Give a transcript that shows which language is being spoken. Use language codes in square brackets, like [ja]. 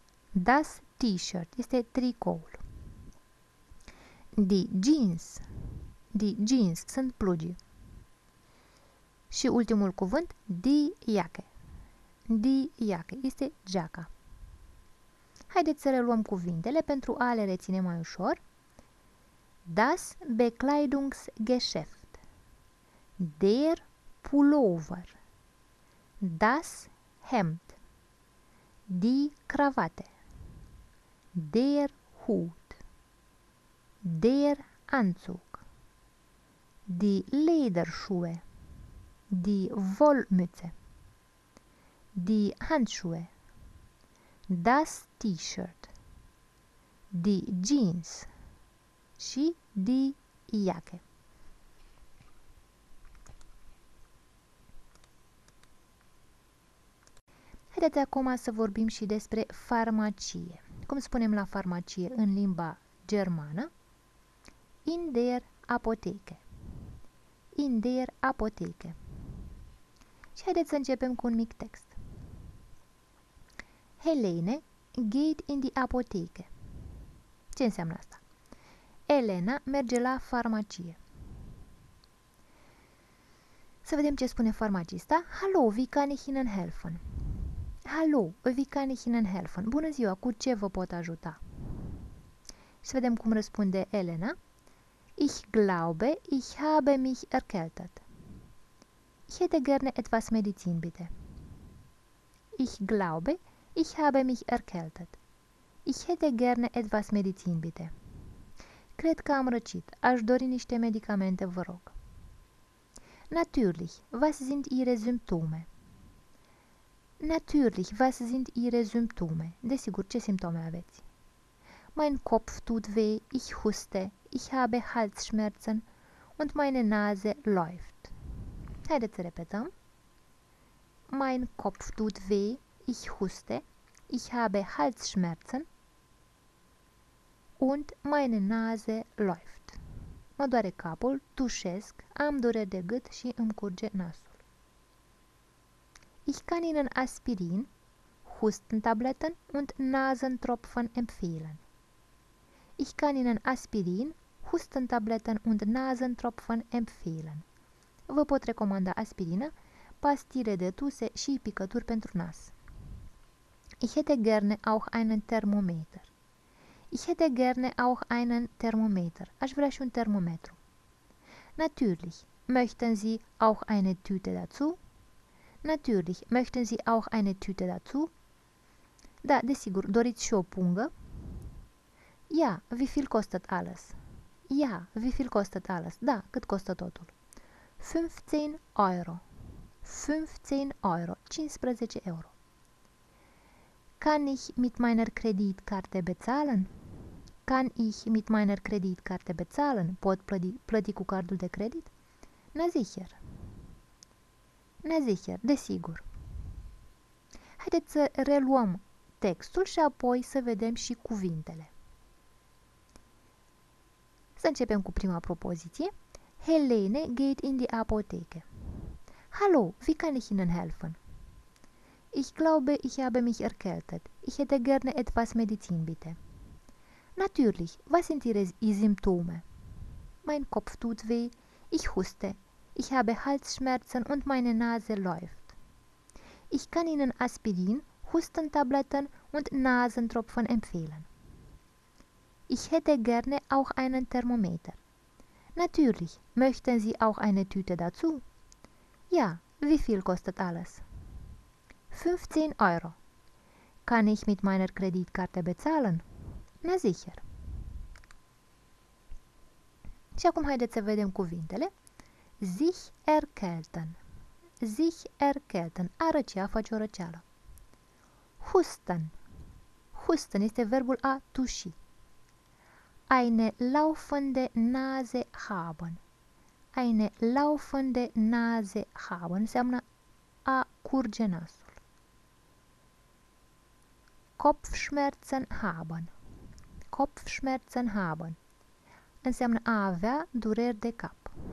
[de] Das T-shirt [ro] este tricoul. [de] Die Jeans. [ro] Die Jeans sunt plugii. Și ultimul cuvânt, die Jacke. Die Jacke este geaca. Haideți să reluăm cuvintele pentru a le reține mai ușor. [de] Das Bekleidungsgeschäft. Der Pullover. Das Hemd. Die Krawatte. Der Hut. Der Anzug. Die Lederschuhe. Die Wollmütze. Die Handschuhe. Das T-Shirt. Die Jeans. [ro] Și die Jacke. Haideți acum să vorbim și despre farmacie. Cum spunem la farmacie în limba germană? [de] In der Apotheke. In der Apotheke. [ro] Și haideți să începem cu un mic text. [de] Helene geht in die Apotheke. [ro] Ce înseamnă asta? Elena merge la farmacie. Să vedem ce spune farmacista. [de] Hallo, wie kann ich Ihnen helfen? Hallo, wie kann ich Ihnen helfen? [ro] Bună ziua, cu ce vă pot ajuta? Să vedem cum răspunde Elena. [de] Ich glaube, ich habe mich erkältet. Ich hätte gerne etwas Medizin, bitte. Ich glaube, ich habe mich erkältet. Ich hätte gerne etwas Medizin, bitte. [ro] Cred că am răcit. Aș dori niște medicamente, vă rog. [de] Natürlich, was sind Ihre Symptome? Natürlich, was sind Ihre Symptome? [ro] Desigur, ce simptome aveți? [de] Mein Kopf tut weh, ich huste, ich habe Halsschmerzen und meine Nase läuft. [ro] Haideți să repetăm. [de] Mein Kopf tut weh, ich huste, ich habe Halsschmerzen und meine Nase läuft. [ro] Mă doare capul, tușesc, am dureri de gât și îmi curge nasul. [de] Ich kann Ihnen Aspirin, Hustentabletten und Nasentropfen empfehlen. Ich kann Ihnen Aspirin, Hustentabletten und Nasentropfen empfehlen. [ro] Vă pot recomanda aspirină, pastile de tuse și picături pentru nas. [de] Ich hätte gerne auch einen Thermometer. Ich hätte gerne auch einen Thermometer. [ro] Aș vrea și un termometru. [de] Natürlich. Möchten Sie auch eine Tüte dazu? Natürlich. Möchten Sie auch eine Tüte dazu? [ro] Da, desigur. Doriți și o pungă? [de] Ja, wie viel kostet alles? Ja, wie viel kostet alles? [ro] Da, cât costă totul? 15 euro. [de] 15 euro. 15 euro. Kann ich mit meiner Kreditkarte bezahlen? Kann ich mit meiner Kreditkarte bezahlen? [ro] Pot plăti cu cardul de credit? [de] Na sicher. Na sicher, [ro] desigur. Haideți să reluăm textul și apoi să vedem și cuvintele. Să începem cu prima propoziție. [de] Helene geht in die Apotheke. Hallo, wie kann ich Ihnen helfen? Ich glaube, ich habe mich erkältet. Ich hätte gerne etwas Medizin, bitte. Natürlich, was sind Ihre Symptome? Mein Kopf tut weh, ich huste, ich habe Halsschmerzen und meine Nase läuft. Ich kann Ihnen Aspirin, Hustentabletten und Nasentropfen empfehlen. Ich hätte gerne auch einen Thermometer. Natürlich, möchten Sie auch eine Tüte dazu? Ja, wie viel kostet alles? 15 Euro. Kann ich mit meiner Kreditkarte bezahlen? Na sicher. [ro] Și acum haideți să vedem cuvintele. [de] Sich erkälten. Sich erkälten. [ro] A răcea, face o răceală. Husten. Husten este verbul a tuși. [de] Eine laufende Nase haben. Eine laufende Nase haben [ro] înseamnă a curge nasul. [de] Kopfschmerzen haben. Kopfschmerzen haben [ro] înseamnă a avea dureri de cap.